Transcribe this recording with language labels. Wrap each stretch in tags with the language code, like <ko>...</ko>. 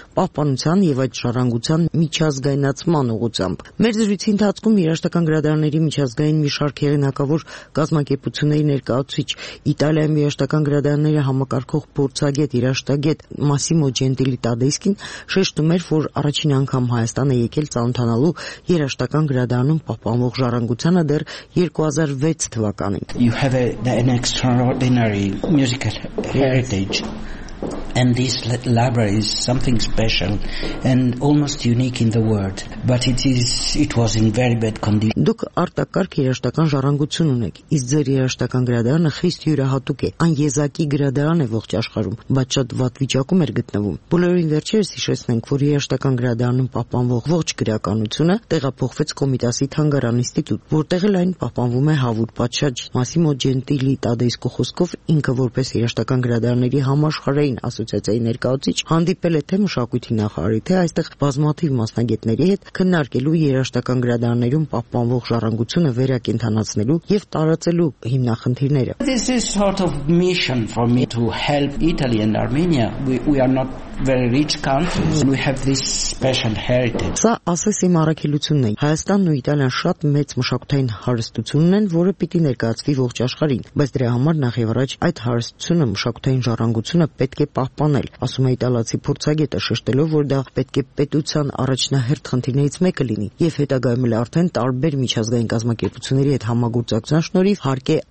<hy>պահպանության և այդ ժառանգության միջազգայնացման ուղղությամբ։ Մեր զրույցի ընթացքում երաժշտական գրադարանների միջազգային մի շարք հեղինակավոր կազմակերպությունների ներկայացուցիչ Իտալիայի երաժշտական գրադարանների համակարգող փորձագետ երաժշտագետ Մասիմո Ջենտիլի Տադեսկին շեշտում էր, որ առաջին անգամ Հայաստանը եկել ծանոթանալու երաժշտական գրադարանում պահպանվող ժառանգությանը դեռ 2006 թվականին։</hy> <en>You have an extraordinary musical heritage and this library is something special and almost unique in the world, but it was in very bad condition.</en> <hy>Դուք արտակարգ երաժշտական ժառանգություն ունեք, իսկ ձեր երաժշտական գրադարանը խիստ յուրահատուկ է, այն եզակի գրադարան է ողջ աշխարհում, բայց շատ վատ վիճակում է գտնվում։ Բոլորին վերջերս հիշեցնենք, որ երաժշտական գրադարանում պահպանվող ողջ գրականությունը տեղափոխվեց Կոմիտասի թանգարան ինստիտուտ, որտեղ էլ այն պահպանվում է հավուր պատշաճ։ Մասիմո Ջենտիլի Տադեսկո խոսքով ինքը որպես երաժշտական գրադարանների համաշխարհային ասոցիացիայի ներկայացուցիչ հանդիպել է թե մշակույթի նախարարի, թե այստեղ բազմաթիվ մասնագետների հետ քննարկելու երաժշտական գրադարաններում պահպանվող ժառանգությունը վերակենդանացնելու և տարածելու հիմնախնդիրները։</hy> <en>This is sort of mission for me to help Italy and Armenia. We are not very rich countries and we have this special heritage.</en> <hy>Սա ասես իմ առաքելությունն է։ Հայաստանն ու Իտալիան շատ մեծ մշակութային հարստություն ունեն, որը պիտի ներկայացվի ողջ աշխարհին, բայց դրա համար նախ եւ առաջ այդ հարստությունը, մշակութային ժառանգությունը պետք է պահպանել, ասում է իտալացի փորձագետը, շեշտելով, որ դա պետք է պետության առաջնահերթ խնդիրներից մեկը լինի, և հետագայում էլ արդեն տարբեր միջազգային կազմակերպությունների հետ համագործակցության շնորհիվ հարկ է</hy>